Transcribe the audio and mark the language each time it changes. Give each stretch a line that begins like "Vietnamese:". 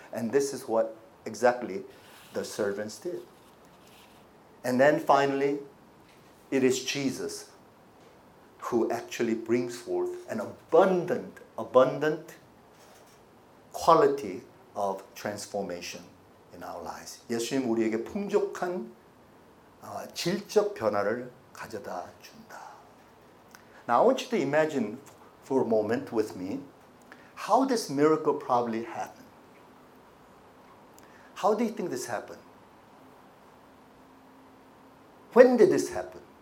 English: And this is what exactly the servants did. And then finally, it is Jesus who actually brings forth an abundant, abundant quality of transformation in our lives.
Korean: 예수님 우리에게 풍족한 질적 변화를 가져다 준다.
English: Now I want you to imagine for a moment with me how this miracle probably happened. How do you think this happened? When did this happen?